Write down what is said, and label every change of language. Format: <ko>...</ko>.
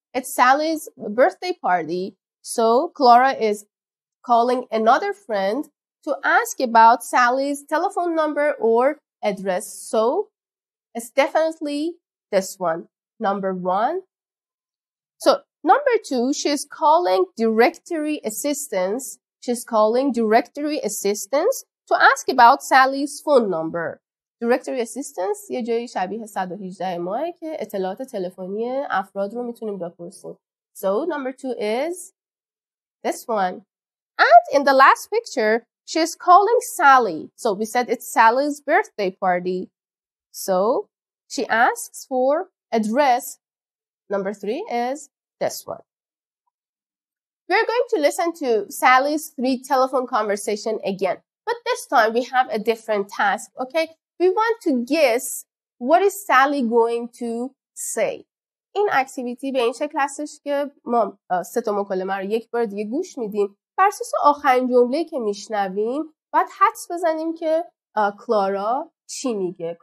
<en>It's Sally's birthday party, so Clara is calling another friend to ask about Sally's telephone number or address. So it's definitely this one, number one. So number two, she's calling directory assistance. She's calling directory assistance to ask about Sally's phone number.</en> <fa>Directory assistance, یه جایی شبیه 118 ماه که اطلاعات تلفنی افراد رو میتونیم بپرسیم.</fa> <en>So number two is this one. And in the last picture, she is calling Sally. So we said it's Sally's birthday party. So she asks for address. Number three is this one. We're going to listen to Sally's three telephone conversation again. But this time we have a different task, okay? We want to guess what is Sally going to say.</en> <fa>این اکتیویتی به این شکل هستش که ما سه تا مکالمه رو یک بار دیگه گوش میدیم. بر اساس آخرین جمله‌ای که میشنویم باید حدس بزنیم که کلارا چی میگه.</fa>